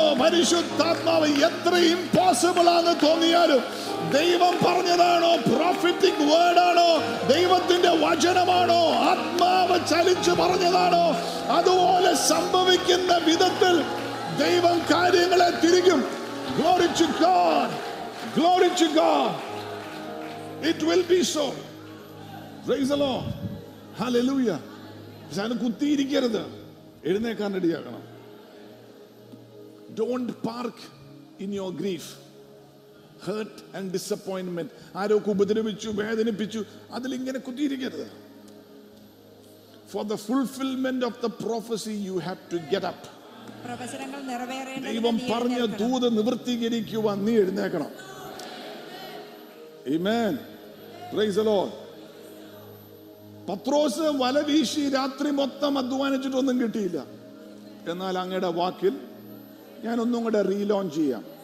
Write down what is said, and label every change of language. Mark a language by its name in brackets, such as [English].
[Malayalam] പരിശുദ്ധാത്മാവ് എത്ര ഇംപോസിബിൾ ആണെന്ന് തോന്നിയാലും ദൈവം പറഞ്ഞതാണോ, പ്രോഫറ്റിക് വേർഡ് ആണോ, ദൈവത്തിന്റെ വചനമാണോ, ആത്മാവ് ചലിച്ചു പറഞ്ഞതാണോ, അതുപോലെ സംഭവിക്കുന്ന വിധത്തിൽ ദൈവം കാര്യങ്ങളെ തിരിക്കും. [English] Glory to God. Glory to God. It will be so. Praise the Lord. Hallelujah. [Malayalam] ഞാൻ കുത്തിയിരിക്കരുത്, എഴുന്നേക്കാൻ റെഡിയാകണം. [English] Don't park in your grief, hurt and disappointment. [Malayalam] ആരോക്കു ഉപദ്രവിച്ചു, വേദനിപ്പിച്ചു, അതിൽ ഇങ്ങനെ കുത്തിയിരിക്കരുത്. [English] For the fulfillment of the prophecy you have to get up. [Malayalam] പ്രവചനങ്ങൾ നിറവേറേണ്ടതിന് ദൈവം പറഞ്ഞ ദൂത് നിവർത്തീകരിക്കുവാൻ നീ എഴുന്നേക്കണം. [English] Amen. Praise the Lord. [Malayalam] പത്രോസ് വല വീശി രാത്രി മൊത്തം അധ്വാനിച്ചിട്ടൊന്നും കിട്ടിയില്ല. എന്നാൽ അങ്ങയുടെ വാക്കിൽ ഞാനൊന്നും കൂടെ റീലോഞ്ച് ചെയ്യാം.